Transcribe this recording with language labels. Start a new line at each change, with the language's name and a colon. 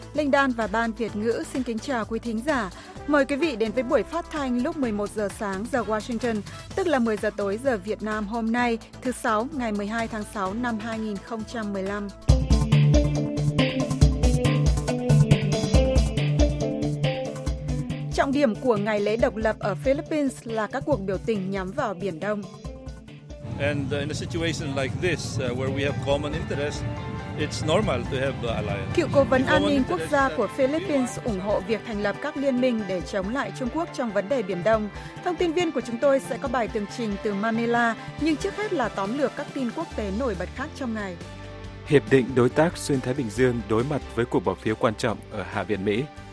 Vietnamese: Linh Đan và Ban Việt Ngữ xin kính chào quý thính giả. Mời quý vị đến với buổi phát thanh lúc 11 giờ sáng giờ Washington, tức là 10 giờ tối giờ Việt Nam hôm nay, thứ Sáu, ngày 12 tháng 6 năm 2015. Trọng điểm của ngày lễ độc lập ở Philippines là các cuộc biểu tình nhắm vào Biển Đông.
English: And in a situation like this where we have common interest, it's normal to have the alliance.
Vietnamese: Cựu cố vấn an ninh quốc gia của Philippines ủng hộ việc thành lập các liên minh để chống lại Trung Quốc trong vấn đề Biển Đông. Thông tin viên của chúng tôi sẽ có bài tường trình từ Manila, nhưng trước hết là tóm lược các tin quốc tế nổi bật khác trong ngày. Hiệp định đối tác xuyên Thái Bình Dương đối mặt với cuộc bỏ phiếu quan trọng ở Hạ viện Mỹ.